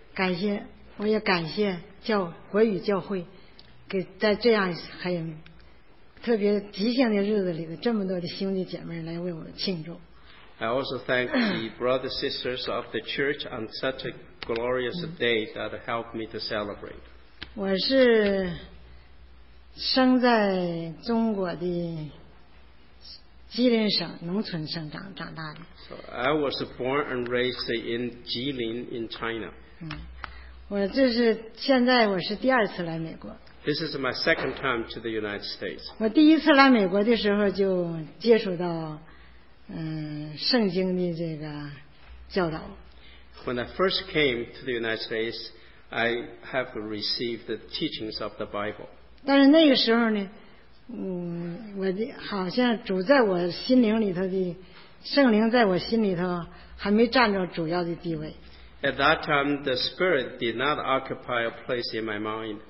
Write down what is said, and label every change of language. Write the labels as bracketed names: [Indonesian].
[Chinese] 感谢，我也感谢教国语教会，给在这样很特别吉祥的日子里的这么多的兄弟姐妹来为我庆祝。 [English] I also thank the brothers and sisters of the church on such a glorious day that helped me to celebrate. [Chinese] 我是生在中国的吉林省农村生长大的。 [English] So I was born and raised in Jilin in China. [Chinese] 我这是现在我是第二次来美国。 [English] This is my second time to the United States. [Chinese] 我第一次来美国的时候就接触到圣经的这个教导。 [English] When I first came to the United States, I have received the teachings of the Bible. [Chinese] 但是那个时候呢，我的好像主在我心灵里头的圣灵在我心里头还没占着主要的地位。 [English] At that time, the Spirit did not occupy a place in my mind.